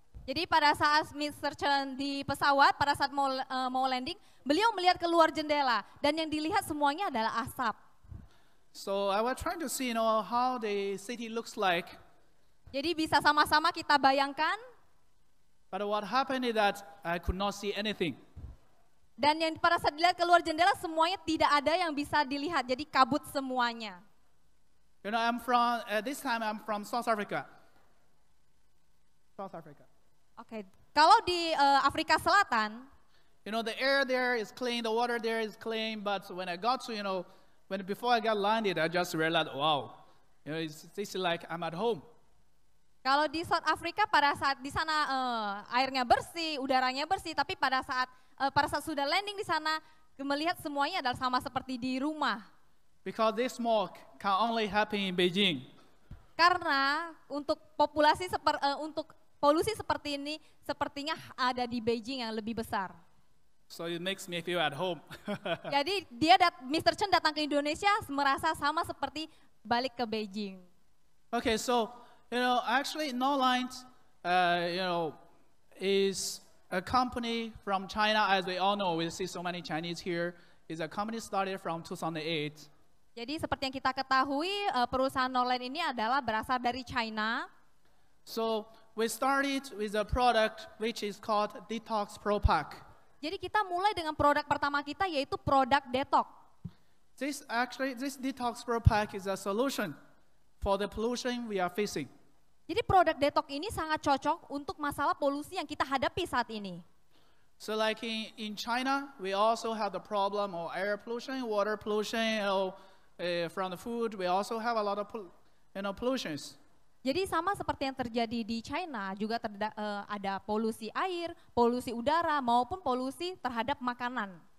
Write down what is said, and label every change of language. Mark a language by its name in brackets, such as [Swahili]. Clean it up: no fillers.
[Indonesian] Jadi pada saat Mr. Chen di pesawat, pada saat mau landing, beliau melihat keluar jendela dan yang dilihat semuanya adalah asap. [English] So I was trying to see, you know, how the city looks like. [Indonesian] Jadi bisa sama-sama kita bayangkan. [English] But what happened is that I could not see anything. [Indonesian] Dan yang pada saat dilihat keluar jendela semuanya tidak ada yang bisa dilihat, jadi kabut semuanya. [English] You know, I'm from South Africa. South Africa. [Indonesian] Okay, kalau di Afrika Selatan. [English] You know, the air there is clean, the water there is clean, but when I got to, you know, when before I got landed, I just realized, wow, you know, it's like I'm at home. [Indonesian] Kalau di South Africa pada saat di sana airnya bersih, udaranya bersih, tapi pada saat sudah landing di sana melihat semuanya adalah sama seperti di rumah. [English] Because this smoke can only happen in Beijing. [Indonesian] Karena untuk populasi untuk polusi seperti ini sepertinya ada di Beijing yang lebih besar. [English] So it makes me feel at home. [Indonesian] Jadi dia Mr. Chen datang ke Indonesia merasa sama seperti balik ke Beijing. [English] Okay, so you know, actually, Norland, you know, is a company from China, as we all know. We see so many Chinese here. It's a company started from 2008. [Indonesian] Jadi seperti yang kita ketahui, perusahaan Norland ini adalah berasal dari China. [English] So we started with a product which is called Detox Pro Pack. [Indonesian] Jadi kita mulai dengan produk pertama kita yaitu produk Detox. [English] This Detox Pro Pack is a solution for the pollution we are facing. [Indonesian] Jadi produk detox ini sangat cocok untuk masalah polusi yang kita hadapi saat ini. [English] So like in China, we also have the problem of air pollution, water pollution, you know, from the food, we also have a lot of pollutions. [Indonesian] Jadi sama seperti yang terjadi di China, juga ada polusi air, polusi udara, maupun polusi terhadap makanan.